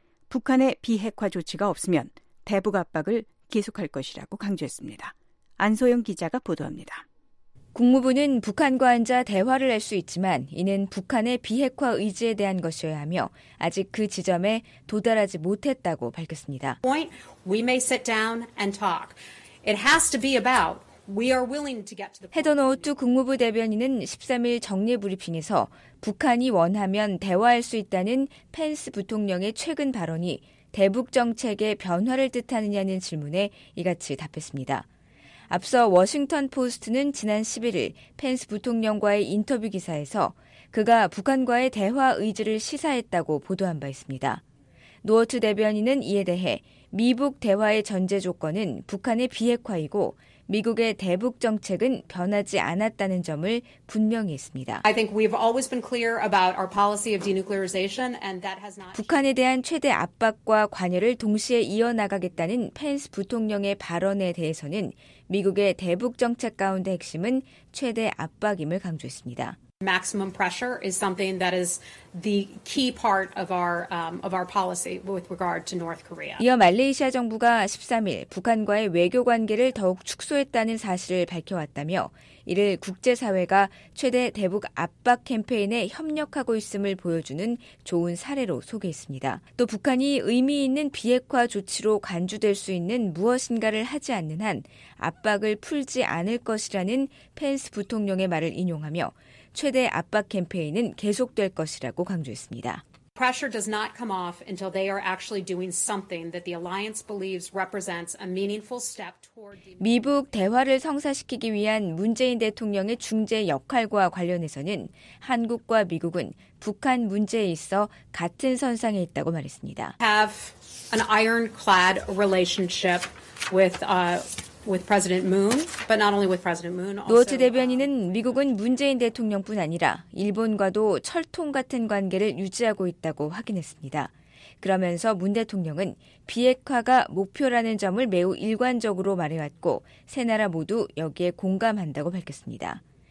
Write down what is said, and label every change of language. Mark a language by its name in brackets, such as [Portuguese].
[Korean] 북한의 비핵화 조치가 없으면 대북 압박을 계속할 것이라고 강조했습니다. 안소영 기자가 보도합니다. 국무부는 북한과 앉아 대화를 할 수 있지만 이는 북한의 비핵화 의지에 대한 것이어야 하며 아직 그 지점에 도달하지 못했다고 밝혔습니다. [English] We may sit down and talk. It has to be about we are willing to get to the. [Korean] 헤더 노우트 국무부 대변인은 13일 정례 브리핑에서 북한이 원하면 대화할 수 있다는 펜스 부통령의 최근 발언이 대북 정책의 변화를 뜻하느냐는 질문에 이같이 답했습니다. 앞서 워싱턴 포스트는 지난 11일 펜스 부통령과의 인터뷰 기사에서 그가 북한과의 대화 의지를 시사했다고 보도한 바 있습니다. 노어트 대변인은 이에 대해 미북 대화의 전제 조건은 북한의 비핵화이고 미국의 대북 정책은 변하지 않았다는 점을 분명히 했습니다. [English] I think we've always been clear about our policy of denuclearization and that has not. [Korean] 북한에 대한 최대 압박과 관여를 동시에 이어나가겠다는 펜스 부통령의 발언에 대해서는 미국의 대북 정책 가운데 핵심은 최대 압박임을 강조했습니다. [English] Maximum pressure is something that is the key part of our policy with regard to North Korea. [Korean] 이어 말레이시아 정부가 13일 북한과의 외교 관계를 더욱 축소했다는 사실을 밝혀왔다며 이를 국제사회가 최대 대북 압박 캠페인에 협력하고 있음을 보여주는 좋은 사례로 소개했습니다. 또 북한이 의미 있는 비핵화 조치로 간주될 수 있는 무엇인가를 하지 않는 한 압박을 풀지 않을 것이라는 펜스 부통령의 말을 인용하며 최대 압박 캠페인은 계속될 것이라고 강조했습니다. [English] Pressure does not come off until they are actually doing something that the alliance believes represents a meaningful step toward. [Korean] 미북 대화를 성사시키기 위한 문재인 대통령의 중재 역할과 관련해서는 한국과 미국은 북한 문제에 있어 같은 선상에 있다고 말했습니다. [English] Have an ironclad relationship with. With President Moon, but not only with President Moon. [Korean] 노어트 대변인은 미국은 문재인 대통령뿐 아니라 일본과도 철통 같은 관계를 유지하고 있다고 확인했습니다. 그러면서 문 대통령은 비핵화가 목표라는 점을 매우 일관적으로 말해왔고 세 나라 모두 여기에 공감한다고 밝혔습니다.